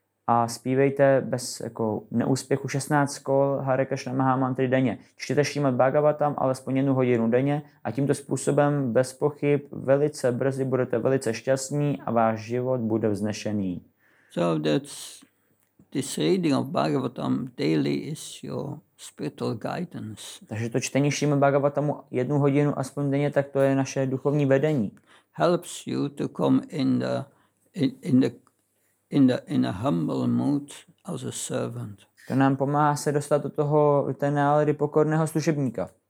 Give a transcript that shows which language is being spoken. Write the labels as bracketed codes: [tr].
[cs] a zpívejte bez jako neúspěchu 16 kol Hare Krishna Mahamantry denně. Čtěte Šrímad Bhagavatam alespoň jednu hodinu denně a tímto způsobem bez pochyb velice brzy budete velice šťastní a váš život bude vznešený. [en] So that's this reading of Bhagavatam daily is your spiritual guidance. [cs] Takže to čtení Šrímad Bhagavatamu jednu hodinu aspoň denně, tak to je naše duchovní vedení. [en] Helps you to come in a humble mood as a servant. [cs] To nám pomáhá se dostat do toho té nálady pokorného služebníka.